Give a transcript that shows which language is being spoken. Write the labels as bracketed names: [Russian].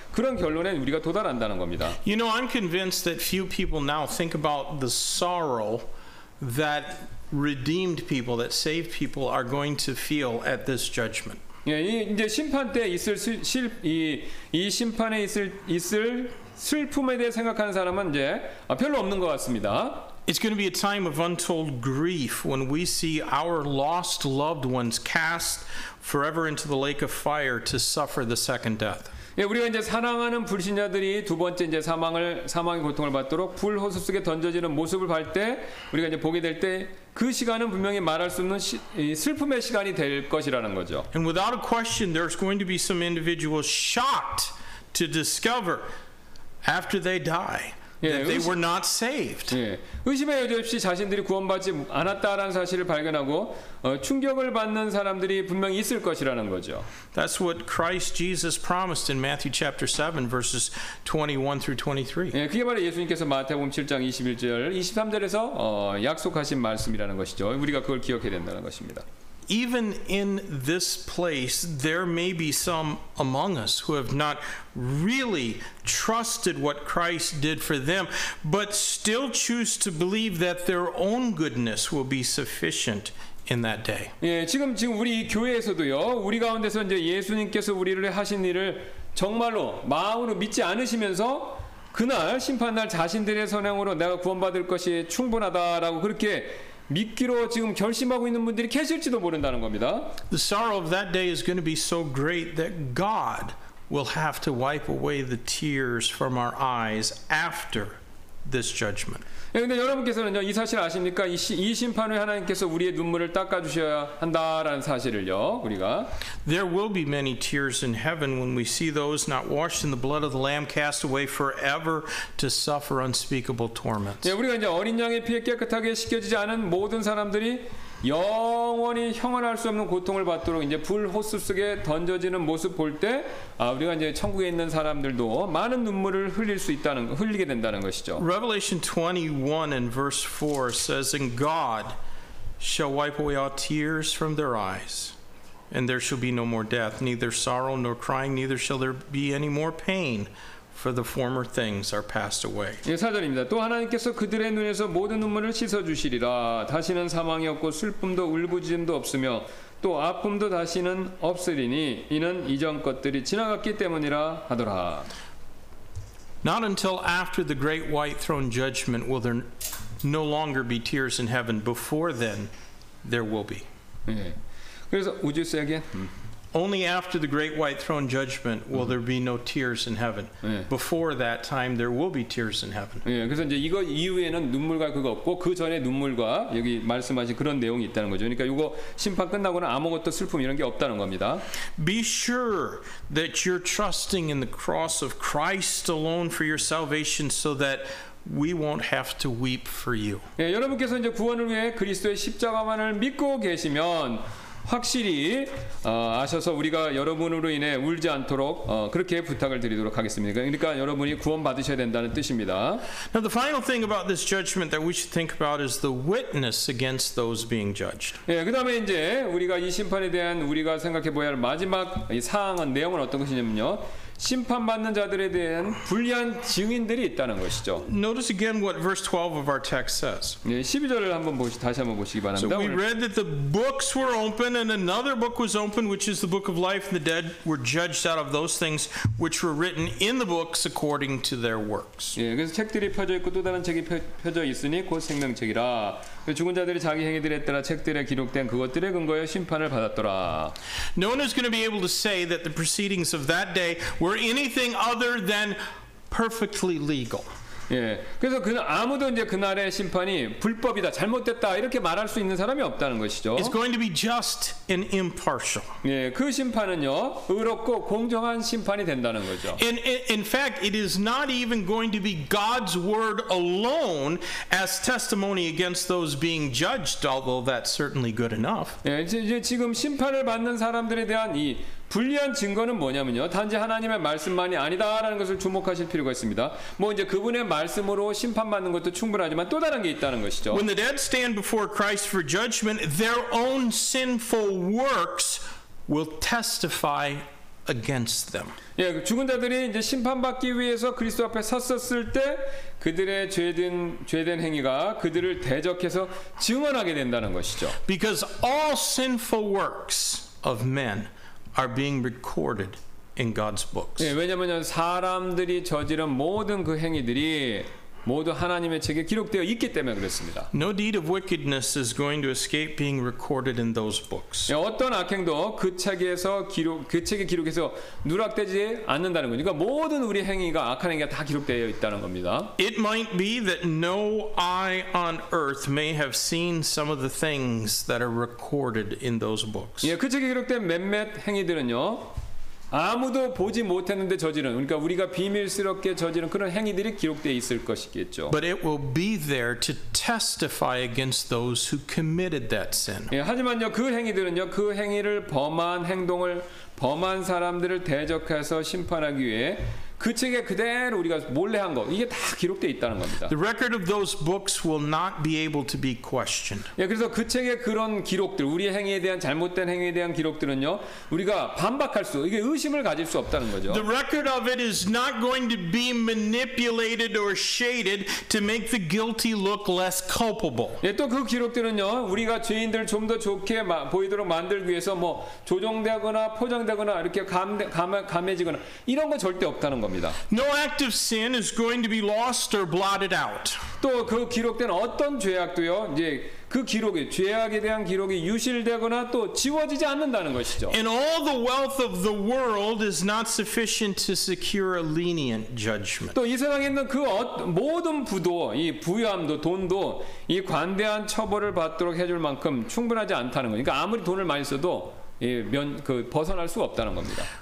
[Korean] 그런 결론에 우리가 도달한다는 겁니다. [English] You know, I'm convinced that few people now think about the sorrow that redeemed people, that saved people are going to feel at this judgment. [Korean] 예, 이제 심판 때 있을 이 심판에 있을 슬픔에 대해 생각하는 사람은 이제 별로 없는 것 같습니다. [English] It's going to be a time of untold grief when we see our lost loved ones cast forever into the lake of fire to suffer the second death. [Korean] 예, 우리가 이제 사랑하는 불신자들이 두 번째 이제 사망의 고통을 받도록 불호수 속에 던져지는 모습을 볼 때 우리가 이제 보게 될 때 그 시간은 분명히 말할 수 없는 슬픔의 시간이 될 것이라는 거죠. [English] And without a question, there's going to be some individuals shocked to discover after they die. That they were not saved. [Korean] 예, 의심의 여지 없이 자신들이 구원받지 않았다라는 사실을 발견하고 충격을 받는 사람들이 분명히 있을 것이라는 거죠. [English] That's what Christ Jesus promised in Matthew chapter 7 verses 21 through 23. [Korean] 예, 그게 바로 예수님께서 마태복음 7장 21절, 23절에서 약속하신 말씀이라는 것이죠. 우리가 그걸 기억해야 된다는 것입니다. [English] Even in this place, there may be some among us who have not really trusted what Christ did for them, but still choose to believe that their own goodness will be sufficient in that day. [Korean] 예, 지금 우리 교회에서도요, 우리 가운데서 이제 예수님께서 우리를 하신 일을 정말로 마음으로 믿지 않으시면서 그날 심판날 자신들의 선행으로 내가 구원받을 것이 충분하다라고 그렇게 믿기로 지금 결심하고 있는 분들이 계실지도 모른다는 겁니다. [English] The sorrow of that day is going to be so great that God will have to wipe away the tears from our eyes after this judgment. [Korean] 예, 근데 여러분께서는요, 이 사실 아십니까? 이 심판 후에 하나님께서 우리의 눈물을 닦아 주셔야 한다라는 사실을요, 우리가. [English] There will be many tears in heaven when we see those not washed in the blood of the Lamb cast away forever to suffer unspeakable torments. [Korean] 예, 우리가 이제 어린 양의 피에 깨끗하게 씻겨지지 않은 모든 사람들이 영원히 형언할 수 없는 고통을 받도록 이제 불 호수 속에 던져지는 모습 볼 때 아, 우리가 이제 천국에 있는 사람들도 많은 눈물을 흘리게 된다는 것이죠. [English] Revelation 21 and verse 4 says, "And God shall wipe away all tears from their eyes, and there shall be no more death, neither sorrow nor crying, neither shall there be any more pain." For the former things are passed away. [Korean] 예, 사절입니다. 또 하나님께서 그들의 눈에서 모든 눈물을 씻어 주시리라. 다시는 사망이 없고 슬픔도 울부짖음도 없으며 또 아픔도 다시는 없으리니 이는 이전 것들이 지나갔기 때문이라 하더라. [English] Not until after the great white throne judgment will there no longer be tears in heaven. Before then, there will be. [Korean] 예. 그래서 [English] would you say again? Only after the great white throne judgment will there be no tears in heaven. 네. Before that time, there will be tears in heaven. [Korean] 예, 그래서 이제 이거 이후에는 눈물과 그거 없고 그 전에 눈물과 여기 말씀하신 그런 내용이 있다는 거죠. 그러니까 이거 심판 끝나고는 아무것도 슬픔 이런 게 없다는 겁니다. [English] Be sure that you're trusting in the cross of Christ alone for your salvation, so that we won't have to weep for you. [Korean] 예, 여러분께서 이제 구원을 위해 그리스도의 십자가만을 믿고 계시면. 확실히 아셔서 우리가 여러분으로 인해 울지 않도록 그렇게 부탁을 드리도록 하겠습니다. 그러니까 여러분이 구원 받으셔야 된다는 뜻입니다. [English] Now the final thing about this judgment that we should think about is the witness against those being judged. [Korean] 예, 그다음에 이제 우리가 이 심판에 대한 우리가 생각해 봐야 할 마지막 이 사항은 내용은 어떤 것이냐면요. 심판받는 자들에 대한 불리한 증인들이 있다는 것이죠. [English] Notice again what verse 12 of our text says. [Korean] 예, 12절을 한번 다시 한번 보시기 바랍니다. [English] So we read that the books were open and another book was open, which is the book of life, and the dead were judged out of those things which were written in the books according to their works. [Korean] 예, 그래서 책들이 펴져 있고 또 다른 책이 펴져 있으니 곧 생명책이라. 죽은 자들이 자기 행위들에 따라 책들에 기록된 그것들에 근거하여 심판을 받았더라. [English] No one is going to be able to say that the proceedings of that day were anything other than perfectly legal. [Korean] 예, 그래서 그 아무도 이제 그날의 심판이 불법이다, 잘못됐다 이렇게 말할 수 있는 사람이 없다는 것이죠. [English] It's going to be just and impartial. [Korean] 예, 그 심판은요, 의롭고 공정한 심판이 된다는 거죠. [English] In fact, it is not even going to be God's word alone as testimony against those being judged, although that's certainly good enough. [Korean] 예, 이제 지금 심판을 받는 사람들에 대한 이 불리한 증거는 뭐냐면요. 단지 하나님의 말씀만이 아니다라는 것을 주목하실 필요가 있습니다. 뭐 이제 그분의 말씀으로 심판받는 것도 충분하지만 또 다른 게 있다는 것이죠. [English] When the dead stand before Christ for judgment, their own sinful works will testify against them. [Korean] 예, 죽은 자들이 이제 심판받기 위해서 그리스도 앞에 섰었을 때 그들의 죄된 행위가 그들을 대적해서 증언하게 된다는 것이죠. [English] Because all sinful works of men are being recorded in God's books. [Korean] 예, 왜냐면요, 사람들이 저지른 모든 그 행위들이 모두 하나님의 책에 기록되어 있기 때문에 그렇습니다. [English] No deed of wickedness is going to escape being recorded in those books. [Korean] 예, 어떤 악행도 그 책에 기록해서 누락되지 않는다는 거니까 모든 우리 행위가 악한 행위가 다 기록되어 있다는 겁니다. [English] It might be that no eye on earth may have seen some of the things that are recorded in those books. [Korean] 예, 그 책에 기록된 몇몇 행위들은요. 아무도 보지 못했는데 저지른 그러니까 우리가 비밀스럽게 저지른 그런 행위들이 기록되어 있을 것이겠죠. [English] But it will be there to testify against those who committed that sin. [Korean] 예, 하지만요 그 행위들은요 그 행위를 범한 행동을 범한 사람들을 대적해서 심판하기 위해 그 책에 그대로 우리가 몰래 한 거 이게 다 기록되어 있다는 겁니다. [English] The record of those books will not be able to be questioned. [Korean] 예, 그래서 그 책에 그런 기록들 우리 행위에 대한 잘못된 행위에 대한 기록들은요 우리가 반박할 수 이게 의심을 가질 수 없다는 거죠. [English] The record of it is not going to be manipulated or shaded to make the guilty look less culpable. [Korean] 예, 또 그 기록들은요 우리가 죄인들 좀 더 좋게 보이도록 만들기 위해서 뭐 조정되거나 포장되거나 이렇게 감해지거나 이런 거 절대 없다는 [English] No act of sin is going to be lost or blotted out. [Korean] 또 그 기록된 어떤 죄악도요, 이제 그 기록에 죄악에 대한 기록이 유실되거나 또 지워지지 않는다는 것이죠. [English] And all the wealth of the world is not sufficient to secure a lenient judgment. [Korean] 또 이 세상에 있는 그 모든 부도, 이 부유함도 돈도 이 관대한 처벌을 받도록 해줄 만큼 충분하지 않다는 거니까 그러니까 아무리 돈을 많이 써도 벗어날 수 없다는 겁니다.